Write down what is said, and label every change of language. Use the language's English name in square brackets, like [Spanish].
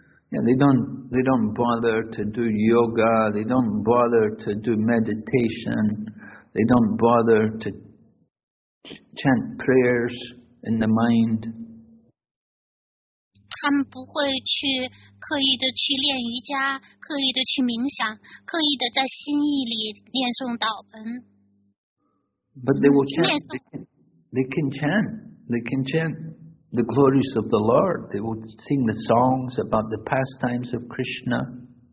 [English] Yeah, they don't bother to do yoga, they don't bother to do meditation, they don't bother to chant prayers in the mind. [Chinese] 他们不会去刻意的去练瑜伽，刻意的去冥想，刻意的在心意里念诵祷文。 [English] But they will chant. They can chant the glories of the Lord. They will sing the songs about the pastimes of Krishna.